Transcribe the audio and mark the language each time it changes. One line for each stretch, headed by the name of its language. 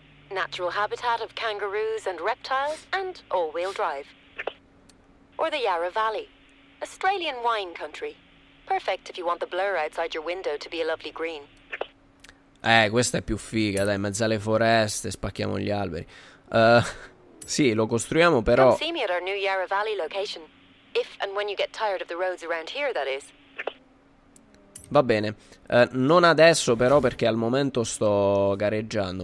English: Natural habitat of kangaroos and reptiles and all-wheel drive. Or the Yarra Valley. Australian wine country. Perfect if you want the blur outside your window to be a lovely green.
Italian: Questa è più figa, dai, in mezzo alle foreste, spacchiamo gli alberi. Sì, lo costruiamo, però.
English: Come see me at our new Yarra Valley location. If and when you get tired of the roads around here, that is.
Italian: Va bene. Non adesso, però, perché al momento sto gareggiando.